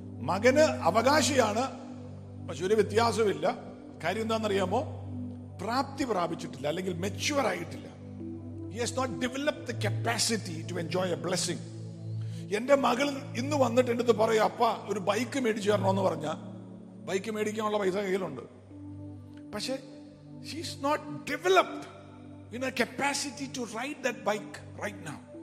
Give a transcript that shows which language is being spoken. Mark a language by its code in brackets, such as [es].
[ml] മകന് അവകാശിയാണ്, പക്ഷെ ഒരു വ്യത്യാസമില്ല. കാര്യം എന്താണെന്നറിയാമോ? പ്രാപ്തി പ്രാപിച്ചിട്ടില്ല, അല്ലെങ്കിൽ മെച്യൂർ ആയിട്ടില്ല. [en] He has not developed the capacity to enjoy a blessing. [ml] എന്റെ മകൾ ഇന്ന് വന്നിട്ട് എന്റെ അടുത്ത് പറയും, അപ്പ ഒരു ബൈക്ക് മേടിച്ചു തരണമെന്ന് പറഞ്ഞ ബൈക്ക് മേടിക്കാനുള്ള പൈസ കയ്യിലുണ്ട്. പക്ഷെ [en] She is not developed in a capacity to ride that bike right now.